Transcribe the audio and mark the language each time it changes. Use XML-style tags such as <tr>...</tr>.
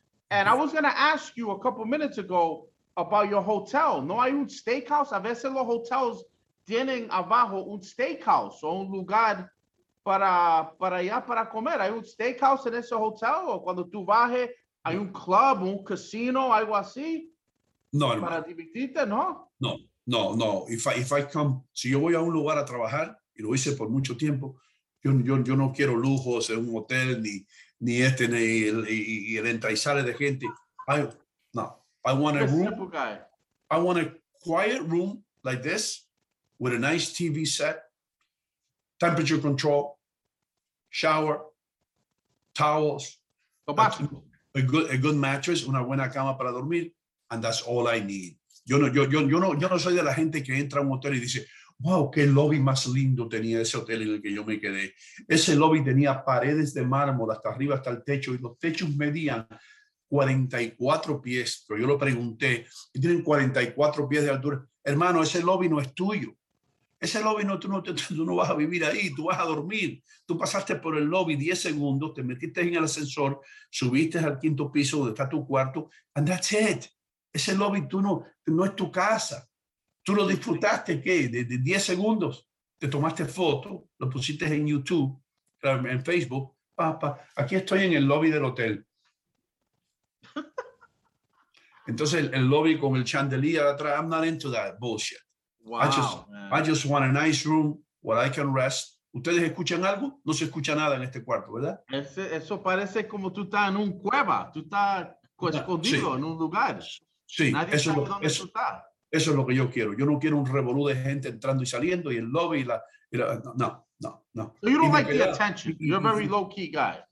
<en>And I was going to ask you a couple minutes ago about your hotel.</en> <es>¿No hay un steakhouse? A veces los hoteles tienen abajo un steakhouse o un lugar para allá para comer. ¿Hay un steakhouse en ese hotel? ¿O cuando tú bajes, hay un club, un casino, algo así? No, hermano. ¿Para divertirte, no? No. Si yo voy a un lugar a trabajar, y lo hice por mucho tiempo, yo no quiero lujos en un hotel, ni el entra y sale de gente.</es> <en>I want a room. Guy. I want a quiet room like this, with a nice TV set, temperature control, shower, towels, a good mattress,</en> <es>una buena cama para dormir,</es> <en>and that's all I need.</en> <es>Yo no soy de la gente que entra a un hotel y dice, wow, qué lobby más lindo tenía ese hotel en el que yo me quedé. Ese lobby tenía paredes de mármol hasta arriba, hasta el techo, y los techos medían 44 pies, pero yo lo pregunté, y tienen 44 pies de altura. Hermano, ese lobby no es tuyo. Ese lobby tú no vas a vivir ahí, tú vas a dormir. Tú pasaste por el lobby 10 segundos, te metiste en el ascensor, subiste al quinto piso donde está tu cuarto,</es> <en>and that's it.</en> <es>Ese lobby no es tu casa. Tú lo disfrutaste, ¿qué? De 10 segundos, te tomaste foto, lo pusiste en YouTube, en Facebook. Papá, aquí estoy en el lobby del hotel. Entonces, el lobby con el chandelier atrás,</es> <en>I'm not into that bullshit. Wow, I just want a nice room where I can rest.</en> <es>¿Ustedes escuchan algo? No se escucha nada en este cuarto, ¿verdad? Eso parece como tú estás en un cueva. Tú estás escondido, sí, en un lugar. Sí, eso es lo que yo quiero. Yo no quiero un revolú de gente entrando y saliendo y el lobby. No.</es> <en>So you don't like the attention. You're a very low-key guy.</en>